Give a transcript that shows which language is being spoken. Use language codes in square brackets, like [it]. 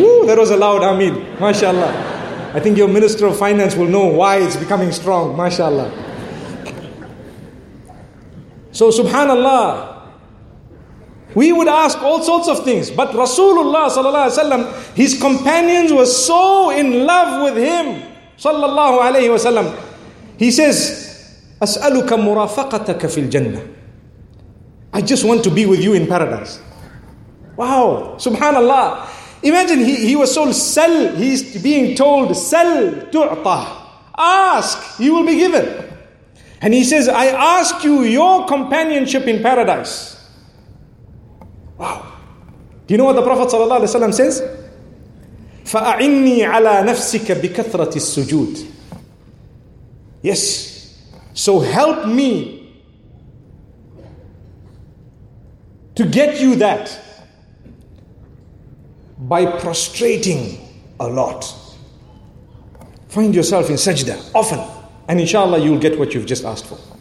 [en] Woo, that was a loud ameen. MashaAllah. I think your minister of finance will know why it's becoming strong. MashaAllah. So subhanAllah, we would ask all sorts of things. But Rasulullah sallallahu alayhi wa sallam, his companions were so in love with him. Sallallahu alayhi wa sallam. He says, [ar] أسألك مرافقتك في الجنة. [en] I just want to be with you in paradise. Wow, subhanAllah. Imagine he was so sell, he's being told, sell [ar] تُعطى. [en] Ask, you will be given. And he says, I ask you your companionship in paradise. Wow. Do you know what the Prophet sallallahu alayhi wa sallam says? [ar] فأعني على نفسك بكثرة السجود. [en] Yes. So help me to get you that by prostrating a lot. Find yourself in sajda often, and inshallah you'll get what you've just asked for.